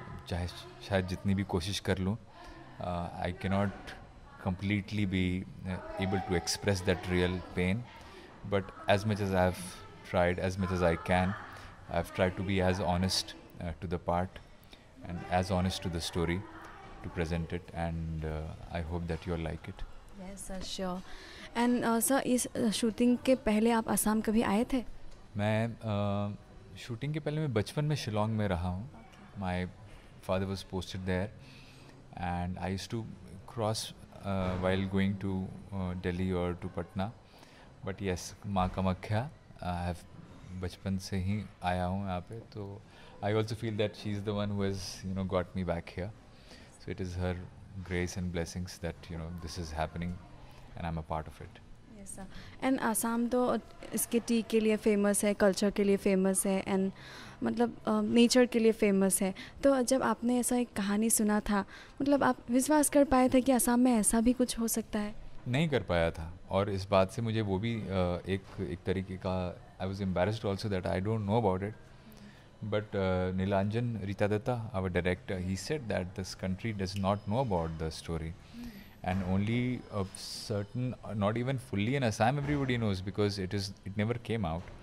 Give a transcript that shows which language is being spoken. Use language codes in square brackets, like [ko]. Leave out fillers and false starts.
[hi] chahe shayad jitni bhi koshish kar lu [en] I cannot completely be able to express that real pain, but as much as I have tried, as much as I can, I have tried to be as honest to the part and as honest to the story to present it, and I hope that you all like it. Yes sir, sure. [hi] And sir, इस shooting के पहले आप असम कभी आए थे? मैं shooting के पहले मैं बचपन में शिलोंग में रहा हूँ, [en] my father was posted there and I used to cross while going to Delhi और to Patna, but yes, माँ Kamakhya, I have [hi] बचपन से ही आया हूँ यहाँ पे, तो [en] I also feel that she is the one who has you know got me back here, so it is her grace and blessings that you know this is happening and I'm a part of it. Yes sir. And Assam [hi] to iske tea ke liye famous hai, culture ke liye famous hai and मतलब nature के लिए famous है. तो जब आपने ऐसा एक कहानी सुना था, मतलब आप विश्वास कर पाए थे कि असम में ऐसा भी कुछ हो सकता है? नहीं कर पाया था. और इस बात से मुझे वो भी एक तरीके का [en] I was embarrassed also that I don't know about it. But Nilanjan Rita Dutta our director he said that this country does not know about the story and only certain not even fully in Assam everybody knows because it is it never came out.